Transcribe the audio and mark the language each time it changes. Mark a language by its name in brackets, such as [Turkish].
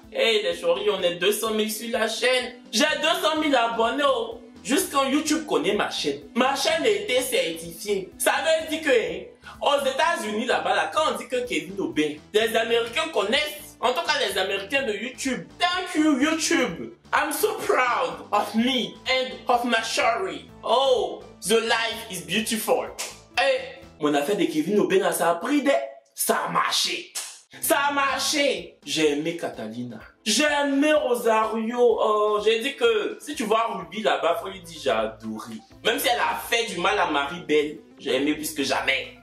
[French] Hey les chéris, on est 200 000 sur la chaîne. J'ai 200 000 abonnés. Oh. Juste quand YouTube connaît ma chaîne. Ma chaîne a été certifiée. Ça veut dire que aux États-Unis là-bas, là, quand on dit que Kevin Aubin, les Américains connaissent. En tout cas, les Américains de YouTube. [English] Thank you, YouTube. I'm so proud of me and of my story. Oh, the life is beautiful. [French] Eh, mon affaire de Kevin Aubin, ça a pris des... Ça a marché. Ça a marché. J'ai aimé Catalina. J'ai aimé Rosario. Oh, j'ai dit que si tu vois Ruby là-bas, faut lui dire j'ai adoré. Même si elle a fait du mal à Marie-Belle, j'ai aimé plus que jamais.